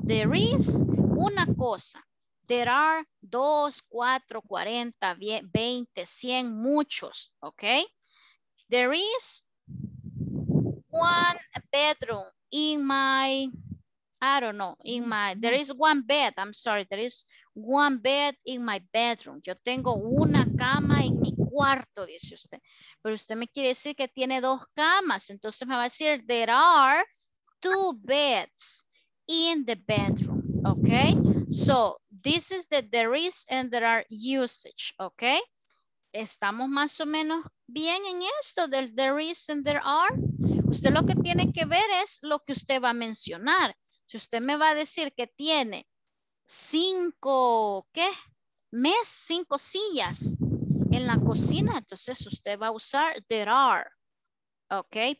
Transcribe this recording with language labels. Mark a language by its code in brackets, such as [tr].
[es] There is una cosa, there are dos, cuatro, cuarenta, veinte, cien, muchos, okay? [en] There is one bedroom. In my, I don't know, in my, there is one bed, I'm sorry, there is one bed in my bedroom. [es] Yo tengo una cama en mi cuarto, dice usted. Pero usted me quiere decir que tiene dos camas. Entonces me va a decir, [en] there are two beds in the bedroom, okay? So, this is the there is and there are usage, okay? [es] ¿Estamos más o menos bien en esto del there is and there are? Usted lo que tiene que ver es lo que usted va a mencionar. Si usted me va a decir que tiene cinco, ¿qué? Mes, cinco sillas en la cocina, entonces usted va a usar there are, ¿ok?